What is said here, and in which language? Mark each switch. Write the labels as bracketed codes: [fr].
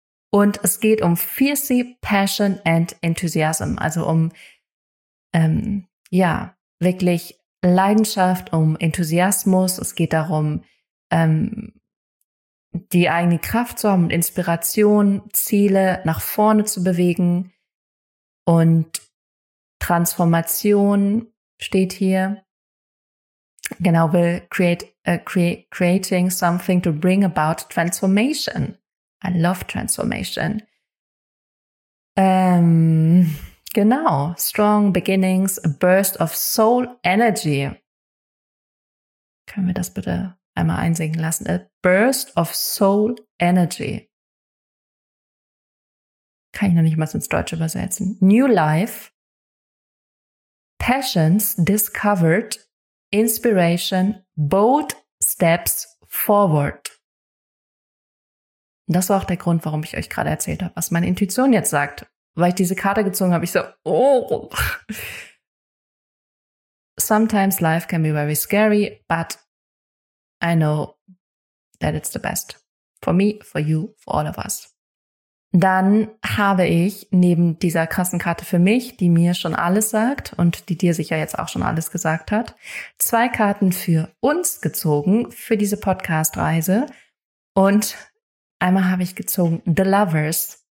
[de] Und es geht um [en] Fierce Passion and Enthusiasm, [de] also um wirklich Leidenschaft, um Enthusiasmus. Es geht darum, die eigene Kraft zu haben und Inspiration, Ziele nach vorne zu bewegen. Und Transformation steht hier. [en] Genau, will creating something to bring about transformation. I love transformation. Genau, strong beginnings, a burst of soul energy. [de] Können wir das bitte einmal einsinken lassen? [en] A burst of soul energy. [de] Kann ich noch nicht mal ins Deutsche übersetzen. [en] New life, passions discovered, inspiration, bold steps forward. [de] Und das war auch der Grund, warum ich euch gerade erzählt habe, was meine Intuition jetzt sagt. Weil ich diese Karte gezogen habe, ich so, oh. [en] Sometimes life can be very scary, but I know that it's the best. For me, for you, for all of us. [de] Dann habe ich neben dieser krassen Karte für mich, die mir schon alles sagt und die dir sicher jetzt auch schon alles gesagt hat, 2 Karten für uns gezogen, für diese Podcast-Reise. Und einmal habe ich gezogen The Lovers.